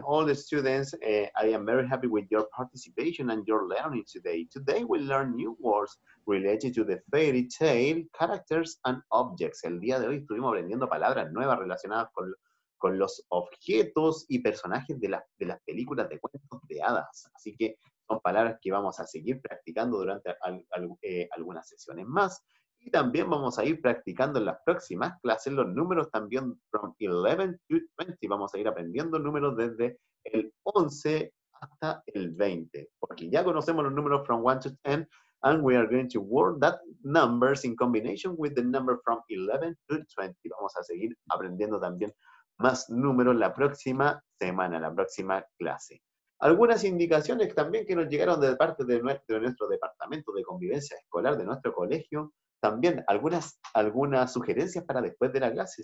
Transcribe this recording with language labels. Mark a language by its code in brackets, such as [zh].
[en] All the students, I am very happy with your participation and your learning today. Today we learn new words related to the fairy tale, characters and objects. [es] El día de hoy estuvimos aprendiendo palabras nuevas relacionadas con los objetos y personajes de las películas de cuentos de hadas. Así que son palabras que vamos a seguir practicando durante algunas sesiones más. Y también vamos a ir practicando en las próximas clases los números también [en] from 11 to 20. [es] Vamos a ir aprendiendo números desde el 11 hasta el 20. Porque ya conocemos los números [en] from 1 to 10. And we are going to work that numbers in combination with the number from 11 to 20. [es] Vamos a seguir aprendiendo también más números la próxima semana, la próxima clase. Algunas indicaciones también que nos llegaron de parte de nuestro departamento de convivencia escolar, de nuestro colegio. También algunas sugerencias para después de la clase.